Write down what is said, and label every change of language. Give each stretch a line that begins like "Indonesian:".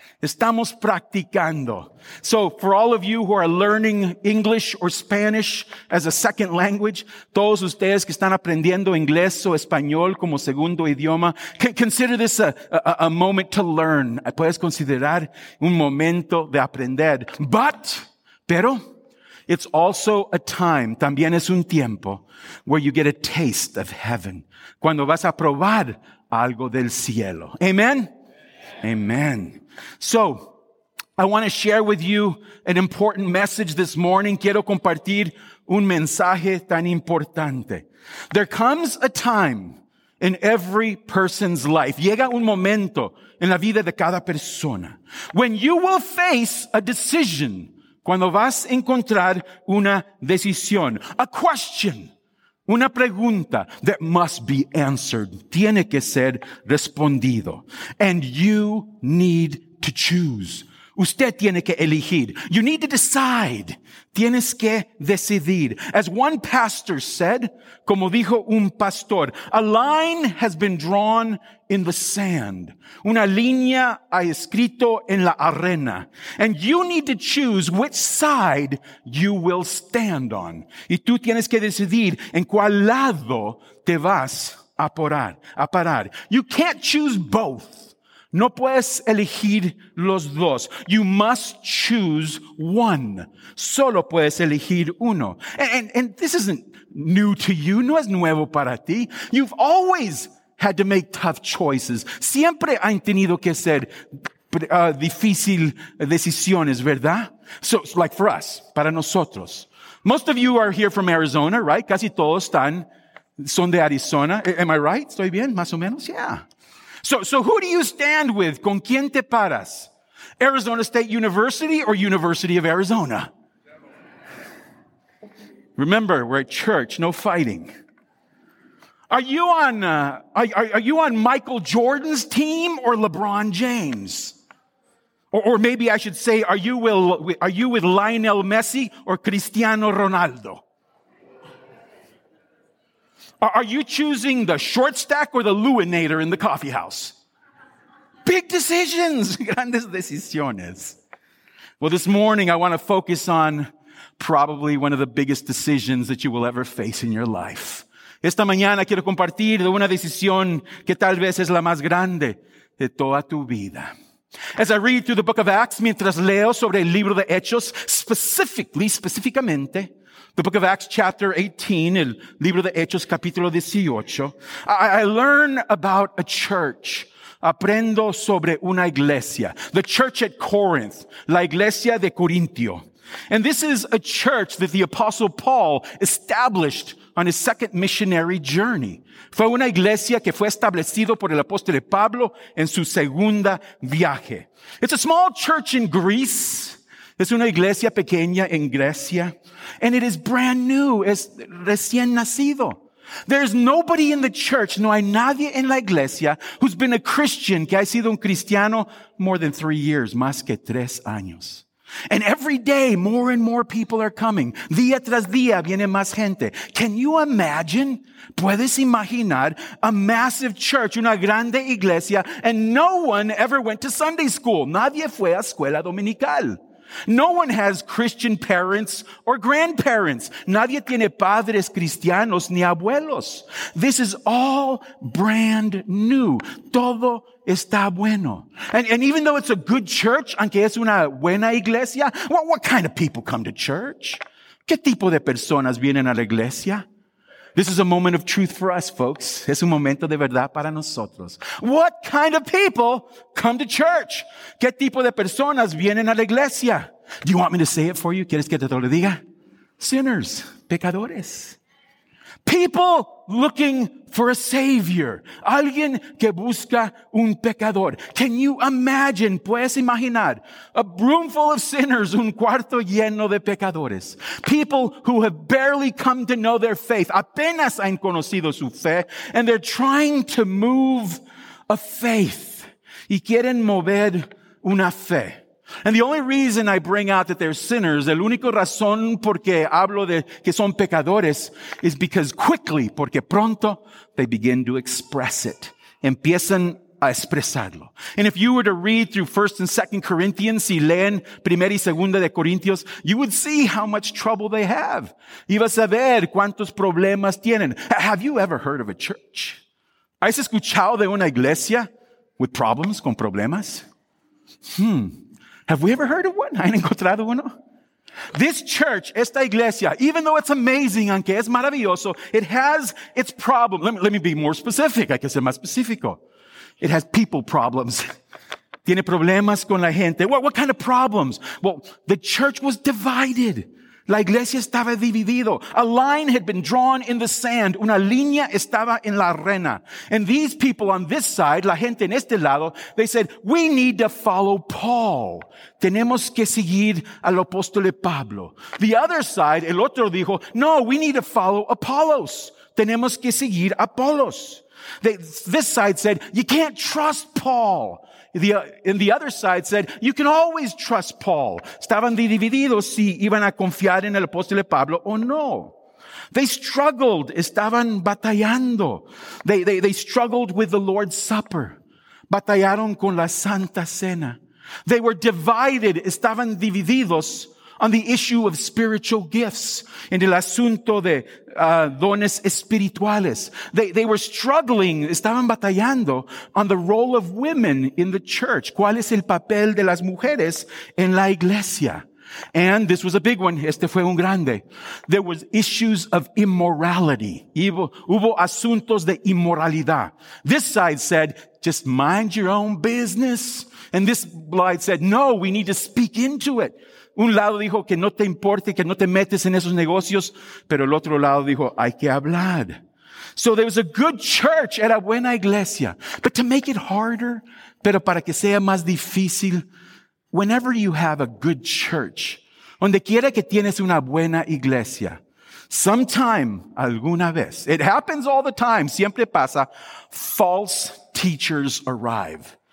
Spanish: Estamos practicando.
English: So for all of you who are learning English or Spanish as a second language,
Spanish: todos ustedes que están aprendiendo inglés o español como segundo idioma,
English: consider this a moment to learn.
Spanish: Puedes considerar un momento de aprender. Pero
English: it's also a time,
Spanish: también es un tiempo,
English: where you get a taste of heaven.
Spanish: Cuando vas a probar algo del cielo.
English: Amen? Amen. So, I want to share with you an important message this morning.
Spanish: Quiero compartir un mensaje tan importante.
English: There comes a time in every person's life.
Spanish: Llega un momento en la vida de cada persona.
English: When you will face a decision.
Spanish: Cuando vas a encontrar una decisión.
English: A question.
Spanish: Una pregunta
English: that must be answered.
Spanish: Tiene que ser respondido.
English: And you need to choose.
Spanish: Usted tiene que elegir.
English: You need to decide.
Spanish: Tienes que decidir.
English: As one pastor said,
Spanish: como dijo un pastor,
English: a line has been drawn in the sand.
Spanish: Una línea ha escrito en la arena.
English: And you need to choose which side you will stand on.
Spanish: Y tú tienes que decidir en cuál lado te vas a parar.
English: You can't choose both.
Spanish: No puedes elegir los dos.
English: You must choose one.
Spanish: Solo puedes elegir uno.
English: And this isn't new to you.
Spanish: No es nuevo para ti.
English: You've always had to make tough choices.
Spanish: Siempre han tenido que hacer difícil decisiones, ¿verdad?
English: So like for us,
Spanish: para nosotros.
English: Most of you are here from Arizona, right?
Spanish: Casi todos son de Arizona.
English: Am I right?
Spanish: ¿Estoy bien? Más o menos,
English: yeah. So who do you stand with?
Spanish: ¿Con quién te paras?
English: Arizona State University or University of Arizona? Remember, we're at church, no fighting. Are you on Michael Jordan's team or LeBron James? Or maybe I should say, are you with Lionel Messi or Cristiano Ronaldo? Are you choosing the short stack or the Lewinator in the coffee house? Big decisions,
Spanish: grandes decisiones.
English: Well, this morning I want to focus on probably one of the biggest decisions that you will ever face in your life.
Spanish: Esta mañana quiero compartir de una decisión que tal vez es la más grande de toda tu vida.
English: As I read through the book of Acts,
Spanish: mientras leo sobre el libro de Hechos,
English: specifically, the book of Acts chapter 18,
Spanish: el libro de Hechos capítulo 18,
English: I learn about a church.
Spanish: Aprendo sobre una iglesia.
English: The church at Corinth.
Spanish: La iglesia de Corintio.
English: And this is a church that the apostle Paul established on his second missionary journey.
Spanish: Fue una iglesia que fue establecido por el apóstol Pablo en su segunda viaje.
English: It's a small church in Greece.
Spanish: Es una iglesia pequeña en Grecia.
English: And it is brand new.
Spanish: Es recién nacido.
English: There's nobody in the church,
Spanish: no hay nadie en la iglesia,
English: who's been a Christian,
Spanish: que ha sido un cristiano,
English: more than 3 years,
Spanish: más que tres años.
English: And every day, more and more people are coming.
Spanish: Día tras día, viene más gente.
English: Can you imagine?
Spanish: ¿Puedes imaginar
English: a massive church,
Spanish: una grande iglesia,
English: and no one ever went to Sunday school?
Spanish: Nadie fue a escuela dominical.
English: No one has Christian parents or grandparents.
Spanish: Nadie tiene padres cristianos ni abuelos.
English: This is all brand new.
Spanish: Todo está bueno.
English: And even though it's a good church,
Spanish: aunque es una buena iglesia,
English: what kind of people come to church?
Spanish: ¿Qué tipo de personas vienen a la iglesia?
English: This is a moment of truth for us, folks.
Spanish: Es un momento de verdad para nosotros.
English: What kind of people come to church?
Spanish: ¿Qué tipo de personas vienen a la iglesia?
English: Do you want me to say it for you?
Spanish: ¿Quieres que te lo diga?
English: Sinners,
Spanish: pecadores.
English: People looking for a savior.
Spanish: Alguien que busca un pecador.
English: Can you imagine?
Spanish: ¿Puedes imaginar?
English: A room full of sinners,
Spanish: un cuarto lleno de pecadores.
English: People who have barely come to know their faith.
Spanish: Apenas han conocido su fe.
English: And they're trying to move a faith.
Spanish: Y quieren mover una fe.
English: And the only reason I bring out that they're sinners,
Spanish: el único razón por qué hablo de que son pecadores,
English: is because quickly,
Spanish: porque pronto,
English: they begin to express it.
Spanish: Empiezan a expresarlo.
English: And if you were to read through 1st and 2nd Corinthians,
Spanish: si leen 1 y 2 de Corintios,
English: you would see how much trouble they have.
Spanish: Ibas a ver cuántos problemas tienen.
English: Have you ever heard of a church?
Spanish: ¿Has escuchado de una iglesia
English: with problems,
Spanish: con problemas?
English: Have we ever heard of one?
Spanish: ¿Han encontrado uno?
English: This church,
Spanish: esta iglesia,
English: even though it's amazing,
Spanish: aunque es maravilloso,
English: it has its problems. Let me be more specific.
Spanish: Hay que ser más específico.
English: It has people problems.
Spanish: Tiene problemas con la gente.
English: What kind of problems? Well, the church was divided.
Spanish: La iglesia estaba dividido.
English: A line had been drawn in the sand.
Spanish: Una línea estaba en la arena.
English: And these people on this side,
Spanish: la gente en este lado,
English: they said, we need to follow Paul.
Spanish: Tenemos que seguir al apóstol Pablo.
English: The other side,
Spanish: el otro dijo, no,
English: we need to follow Apollos.
Spanish: Tenemos que seguir Apollos.
English: This side said, you can't trust Paul. And the other side said, you can always trust Paul.
Spanish: Estaban divididos si iban a confiar en el apóstol Pablo o no.
English: They struggled.
Spanish: Estaban batallando.
English: They struggled with the Lord's Supper.
Spanish: Batallaron con la Santa Cena.
English: They were divided.
Spanish: Estaban divididos
English: on the issue of spiritual gifts.
Spanish: En el asunto de dones espirituales.
English: They were struggling,
Spanish: estaban batallando
English: on the role of women in the church.
Spanish: ¿Cuál es el papel de las mujeres en la iglesia?
English: And this was a big one.
Spanish: Este fue un grande.
English: There was issues of immorality.
Spanish: Hubo asuntos de inmoralidad.
English: This side said, just mind your own business. And this side said, no, we need to speak into it.
Spanish: Un lado dijo que no te importe, que no te metes en esos negocios, pero el otro lado dijo, hay que hablar.
English: So there was a good church,
Spanish: era buena iglesia.
English: But to make it harder,
Spanish: pero para que sea más difícil,
English: whenever you have a good church,
Spanish: donde quiera que tienes una buena iglesia,
English: sometime,
Spanish: alguna vez,
English: it happens all the time,
Spanish: siempre pasa,
English: false teachers arrive.